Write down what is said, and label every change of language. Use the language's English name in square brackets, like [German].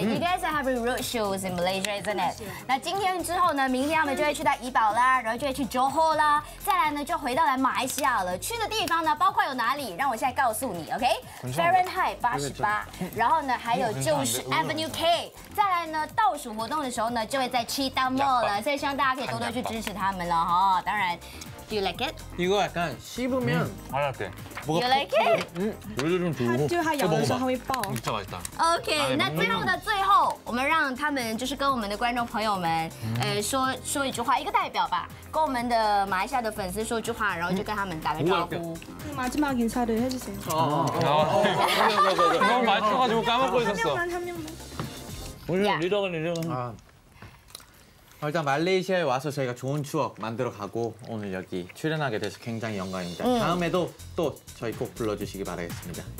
[English] You guys are having road shows in Malaysia, isn't it? [Chinese] 那今天之后呢，明天他们就会去到怡保啦，然后就会去 Johor 啦，再来呢就回到来马来西亚了。去的地方呢，包括有哪里？让我现在告诉你。 OK. Fahrenheit 88，然后呢还有就是 Avenue K。再来呢倒数活动的时候呢，就会在 Cheetah Mall 了。所以希望大家可以多多去支持他们了哈。当然。 [English] Do you like it? [Korean] 이거 약간 씹으면 맛있대. [English] You like it? [Korean] 요즘 [Chinese] 它咬的时候会爆。 [Korean] 진짜 맛있다. [Chinese] Okay, 那最后的最后，我们让他们就是跟我们的观众朋友们，说一句话，一个代表吧，跟我们的马来西亚的粉丝说一句话，然后就跟他们打个招呼。 [Korean] 마지막 인사를 해주세요. 그거 맞춰가지고 까먹고 있었어. 우리 리더는 리더는. 일단 말레이시아에 와서 저희가 좋은 추억 만들어 가고 오늘 여기 출연하게 돼서 굉장히 영광입니다. 다음에도 또 저희 꼭 불러주시기 바라겠습니다.